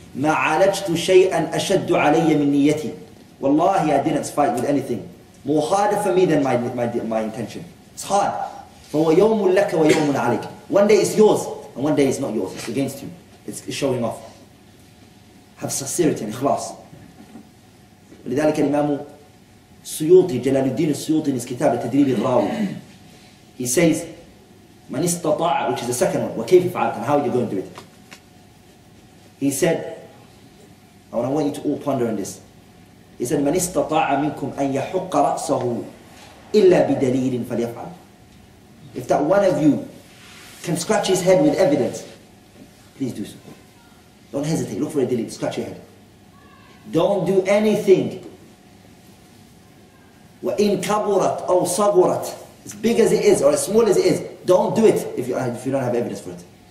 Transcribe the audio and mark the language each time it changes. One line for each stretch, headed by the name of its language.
Arabic: مَا عَالَجْتُ شَيْئًا أَشَدُّ عَلَيَّ مِن نِيَّتِي.
English: Wallahi, I didn't fight with anything more harder for me than my intention. It's hard.
Arabic: فَوَيَوْمُ لَكَ وَيَوْمُ عَلَيْكَ.
English: One day it's yours, and one day it's not yours. It's against you. It's showing off. Have sincerity and ikhlas.
Arabic: ولذلك الإمام السيوطي جلال الدين السيوطي في كتاب التدريب الراوي.
English: He says,
Arabic: من استطاع,
English: which is the second one,
Arabic: وكيف فعلت,
English: and how are you going to do it? He said, and I want you to all ponder on this. He said,
Arabic: من استطاع منكم أن يحق رأسه إلا بدليل فليفعل.
English: If that one of you can scratch his head with evidence, please do so. Don't hesitate, look for a delete, scratch your head. Don't do anything.
Arabic: وَإِن كَبُرَتْ أَوْ صَغُرَتْ.
English: As big as it is or as small as it is, don't do it if you don't have evidence for it.